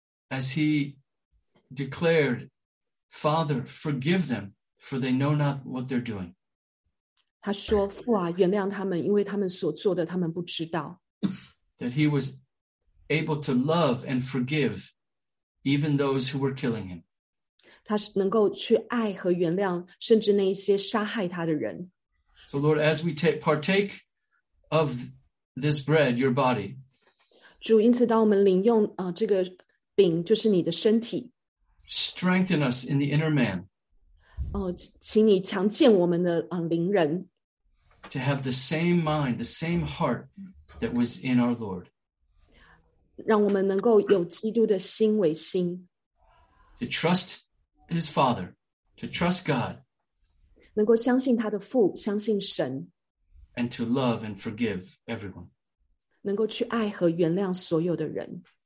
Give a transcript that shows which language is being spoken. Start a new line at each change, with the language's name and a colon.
English: as he declared, Father, forgive them, for they know not what they're doing.
Chinese: 他说, 父啊, 原谅他们, 因为他们所做的, 他们不知道。
English: That he was able to love and forgive even those who were killing him.
Chinese: 他能够去爱和原谅甚至那些杀害他的人。
English: So Lord, as we partake of this bread, your body,
Chinese: 主因此当我们领用, 这个饼, 就是你的身体,
English: strengthen us in the inner man,
Chinese: 请你强健我们的, 灵人,
English: to have the same mind, the same heart that was in our Lord,
Chinese: 让我们能够有基督的心为心,
English: to trust His Father, to trust God,
Chinese: 能够相信他的父, 相信神,
English: and to love and forgive everyone.
Chinese: 能够去爱和原谅所有的人。